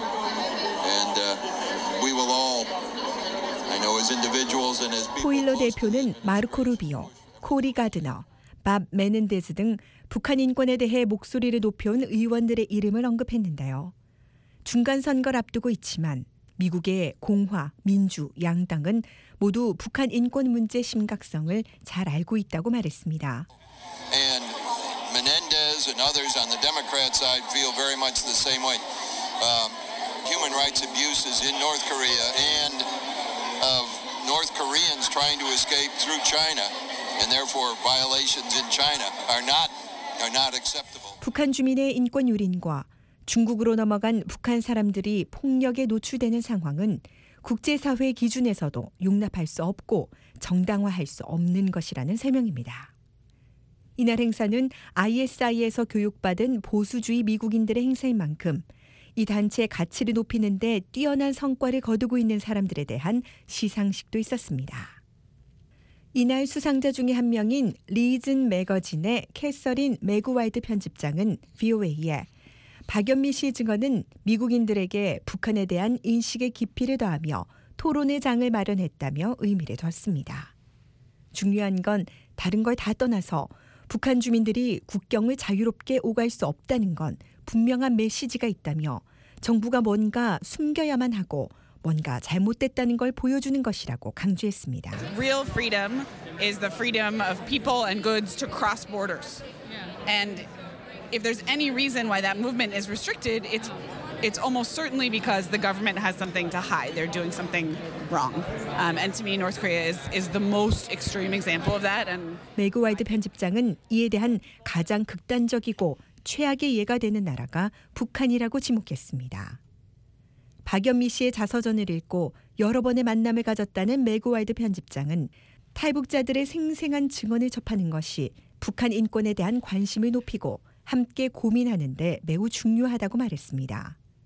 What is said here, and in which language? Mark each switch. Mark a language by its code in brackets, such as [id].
[en] And we will all, I know as individuals and as people. [ko] 포일러 대표는 마르코 루비오, 코리 가드너, 밥 메넨데즈 등 북한 인권에 대해 목소리를 높여온 의원들의 이름을 언급했는데요. 중간 선거를 앞두고 있지만 미국의 공화, 민주, 양당은 모두 북한 인권 문제 심각성을 잘 알고 있다고 말했습니다. [en] And Menendez and others on the Democrat side feel very much the same way. Human rights abuses in North Korea and of North Koreans trying to escape through China and therefore violations in China are not acceptable. [ko] 북한 주민의 인권 유린과 중국으로 넘어간 북한 사람들이 폭력에 노출되는 상황은 국제사회 기준에서도 용납할 수 없고 정당화할 수 없는 것이라는 설명입니다. 이날 행사는 ISI에서 교육받은 보수주의 미국인들의 행사인 만큼 이 단체의 가치를 높이는 데 뛰어난 성과를 거두고 있는 사람들에 대한 시상식도 있었습니다. 이날 수상자 중에 한 명인 리즌 매거진의 캐서린 매그와이드 편집장은 VOA에 박연미 씨 증언은 미국인들에게 북한에 대한 인식의 깊이를 더하며 토론의 장을 마련했다며 의미를 뒀습니다. 중요한 건 다른 걸 다 떠나서 북한 주민들이 국경을 자유롭게 오갈 수 없다는 건 분명한 메시지가 있다며 정부가 뭔가 숨겨야만 하고 뭔가 잘못됐다는 걸 보여주는 것이라고 강조했습니다. [en] Real freedom is the freedom of people and goods to cross borders. And if there's any reason why that movement is restricted, it's almost certainly because the government has something to hide. They're doing something wrong. And to me, North Korea is the most extreme example of that. And [ko] 매그와이드 편집장은 이에 대한 가장 극단적이고 최악의 예가 되는 나라가 북한이라고 지목했습니다. 박연미 씨의 자서전을 읽고 여러 번의 만남을 가졌다는 매그와이드 편집장은 탈북자들의 생생한 증언을 접하는 것이 북한 인권에 대한 관심을 높이고 함께 고민하는 데 매우 중요하다고 말했습니다.